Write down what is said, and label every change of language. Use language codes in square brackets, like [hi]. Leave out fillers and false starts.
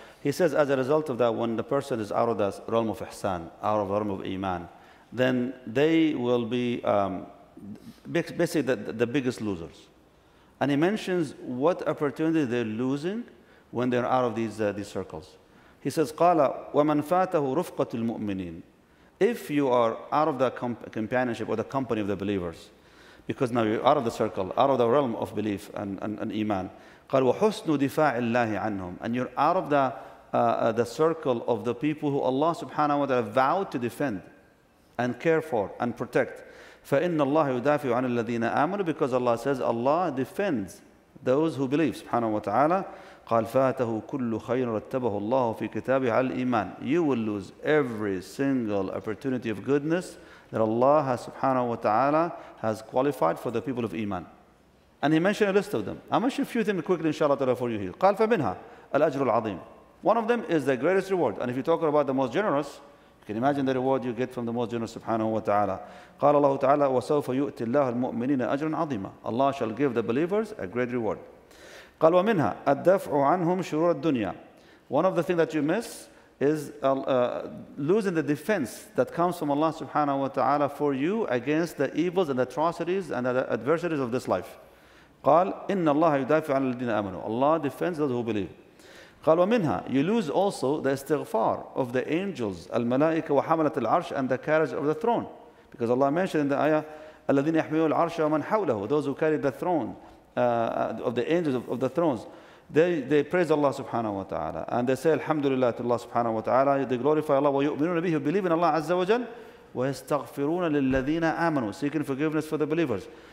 [en] He says, as a result of that, when the person is out of the realm of ihsan, out of the realm of iman, then they will be basically the biggest losers. And he mentions what opportunity they're losing when they're out of these circles. He says, [ar] قَالَ وَمَنْ فَاتَهُ رُفْقَةُ الْمُؤْمِنِينَ. [en] If you are out of the companionship or the company of the believers, because now you're out of the circle, out of the realm of belief and iman, [ar] قال وحسن دفاع الله عنهم, [en] and you're out of the circle of the people who Allah subhanahu wa ta'ala vowed to defend and care for and protect. [ar] فإن الله يدافع عن الذين آمنوا, [en] because Allah says Allah defends those who believe, subhanahu wa ta'ala. [ar] قال فاته كل خير رتبه الله في كتابه على الإيمان. [en] You will lose every single opportunity of goodness that Allah has, subhanahu wa ta'ala, has qualified for the people of Iman. And he mentioned a list of them. I'll mention a few things quickly, inshallah, for you here. [ar] قال فمنها الأجر العظيم. [en] One of them is the greatest reward. And if you're talking about the most generous, you can imagine the reward you get from the most generous, subhanahu wa ta'ala. [ar] قال الله تعالى وسوف يؤتي الله المؤمنين أجرا عظيما. [en] Allah shall give the believers a great reward. [ar] قال ومنها الدفع عنهم شرور الدنيا. [en] One of the things that you miss is losing the defense that comes from Allah subhanahu wa ta'ala for you against the evils and atrocities and the adversities of this life. [ar] قال إن الله يدافع عن الذين آمنوا. [en] Allah defends those who believe. [ar] قال ومنها [en] you lose also the استغفار of the angels, [ar] الملائكة وحملة العرش, [en] and the carriage of the throne. Because Allah mentioned in the ayah, [ar] الذين يحملون العرش ومن حوله, [en] those who carry the throne. Of the angels of the thrones, they praise Allah subhanahu wa ta'ala, and they say alhamdulillah to Allah subhanahu wa ta'ala, they glorify Allah, [ar] وَيُؤْمِنُونَ بِهِ, [en] believe in Allah azza wa jal, [ar] وَيَسْتَغْفِرُونَ لِلَّذِينَ آمَنُوا, [en] seeking forgiveness for the believers.